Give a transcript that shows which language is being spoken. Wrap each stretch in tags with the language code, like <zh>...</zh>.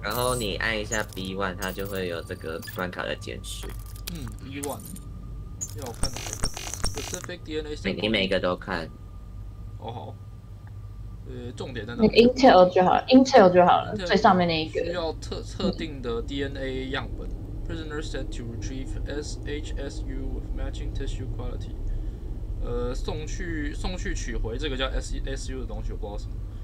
<zh>然后你按一下 B1， 它就会有这个关卡的简讯。嗯 ，B1。要看哪个 ？</zh> <en>Specific DNA sequence。</en> <zh>你每一个都看。哦好。重点在哪？那个 Intel 就好了 ，Intel 就好了，最上面那一个。需要特定的 DNA 样本。</zh> <en>Prisoner sent to retrieve SHSU with matching tissue quality。</en> <zh>送去取回这个叫 SHSU 的东西，我不知道什么。</zh>